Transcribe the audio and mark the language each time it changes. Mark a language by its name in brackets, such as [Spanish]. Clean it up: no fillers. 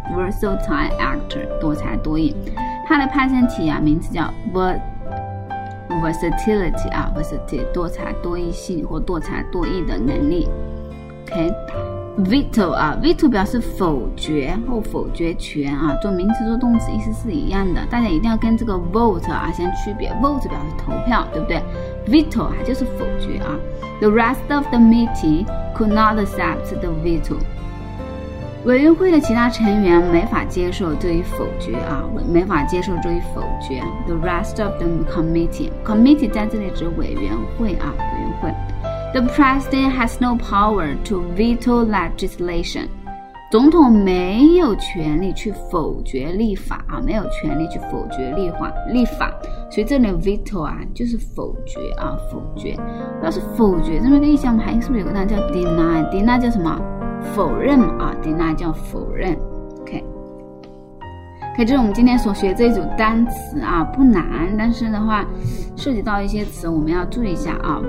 [Chinese] Versatile actor， 多才多艺。他的派生体啊，名字叫 versatility 啊 ，versatility 多才多艺性或多才多艺的能力。 OK，veto 啊 ，veto 表示否决或否决权啊，做名词做动词意思是一样的，大家一定要跟这个 vote 啊先区别。vote 表示投票，对不对 ？veto 啊就是否决啊。 [English] The rest of the meeting could not accept the veto. [Chinese] 委员会的其他成员没法接受这一否决啊，没法接受这一否决。 [English] The rest of the committee [Chinese] 在这里指委员会啊，委员会。 [English] The president has no power to veto legislation. [Chinese] 总统没有权利去否决立法啊，没有权利去否决立法。所以这里 veto 啊，就是否决啊，否决。要是否决这么一个意思，我们还是不是有个单词叫 deny？deny 叫什么？否认啊 ，deny 叫否认。OK， 这是我们今天所学的这一组单词啊，不难，但是的话，涉及到一些词我们要注意一下啊。